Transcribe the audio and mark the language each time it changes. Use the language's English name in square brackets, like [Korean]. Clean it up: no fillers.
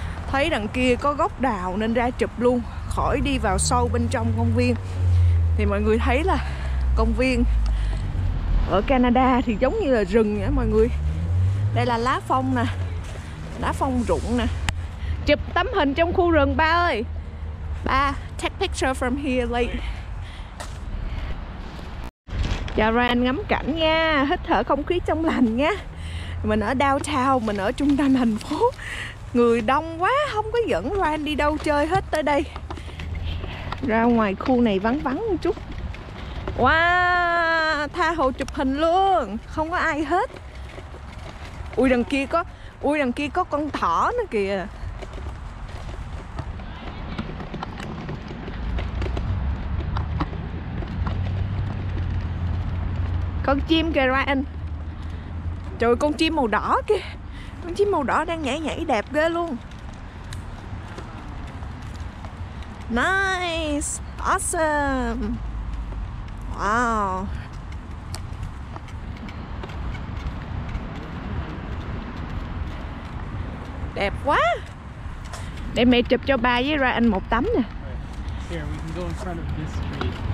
[Vietnamese] Thấy đằng kia có gốc đào nên ra chụp luôn, khỏi đi vào sâu bên trong công viên. Thì mọi người thấy là công viên ở Canada thì giống như là rừng á mọi người. Đây là lá phong nè, lá phong rụng nè. Chụp tấm hình trong khu rừng ba ơi. [English] Ba, take picture from here late. [Vietnamese] Chào Ryan ngắm cảnh nha, hít thở không khí trong lành nha. Mình ở downtown, mình ở trung tâm thành phố. Người đông quá, không có dẫn Ryan đi đâu chơi hết tới đây. Ra ngoài khu này vắng một chút. Wow, tha hồ chụp hình luôn. Không có ai hết. Ui đằng kia có con thỏ nữa kìa. Con chim kìa Ryan. Trời ơi, con chim màu đỏ kìa. Con chim màu đỏ đang nhảy đẹp ghê luôn. [English] Nice, awesome. Wow. [Vietnamese] Đẹp quá. Để mẹ chụp cho ba với Ryan một tấm nè. [English] Here, we can go in front of this tree.